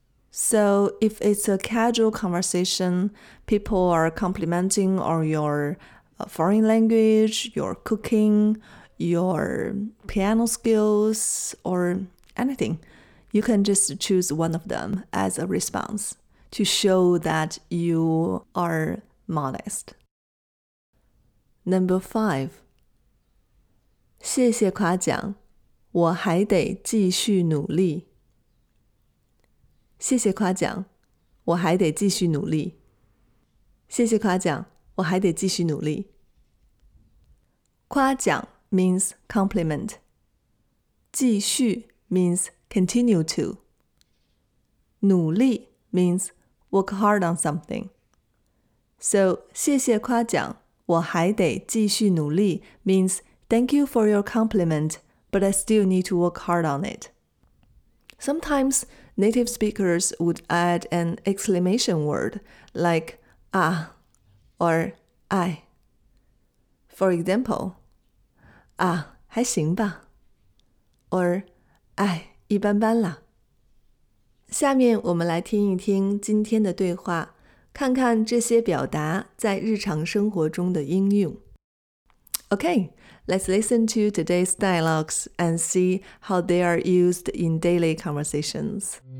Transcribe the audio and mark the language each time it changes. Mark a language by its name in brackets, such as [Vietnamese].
[English] So if it's a casual conversation, people are complimenting on your foreign language, your cooking, your piano skills, or... anything, you can just choose one of them as a response to show that you are modest. Number five. [Chinese] 谢谢夸奖，我还得继续努力。谢谢夸奖，我还得继续努力。谢谢夸奖，我还得继续努力。 [English] 夸奖 means compliment. 继续means continue to. 努力 means work hard on something. So, [Chinese] 谢谢夸奖，我还得继续努力 [English] means thank you for your compliment, but I still need to work hard on it. Sometimes, native speakers would add an exclamation word like 啊 or 哎. For example, [Chinese] 啊还行吧 or 哎一般般啦。下面我们来听一听今天的对话，看看这些表达在日常生活中的应用。 [English] Okay, let's listen to today's dialogues and see how they are used in daily conversations.